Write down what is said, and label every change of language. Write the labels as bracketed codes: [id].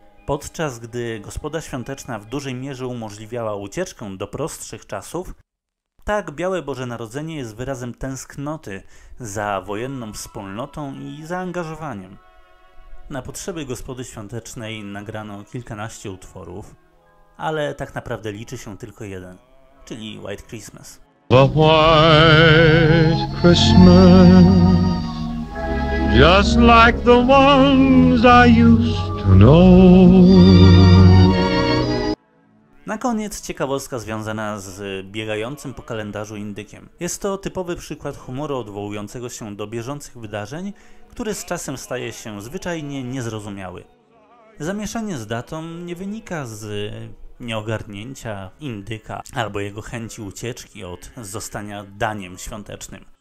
[pl] Podczas gdy Gospoda Świąteczna w dużej mierze umożliwiała ucieczkę do prostszych czasów, tak Białe Boże Narodzenie jest wyrazem tęsknoty za wojenną wspólnotą i zaangażowaniem. Na potrzeby Gospody Świątecznej nagrano kilkanaście utworów, ale tak naprawdę liczy się tylko jeden. Czyli White Christmas. [en] The White Christmas, just like the ones I used to know. [pl] Na koniec ciekawostka związana z biegającym po kalendarzu indykiem. Jest to typowy przykład humoru odwołującego się do bieżących wydarzeń, który z czasem staje się zwyczajnie niezrozumiały. Zamieszanie z datą nie wynika z nieogarnięcia indyka albo jego chęci ucieczki od zostania daniem świątecznym.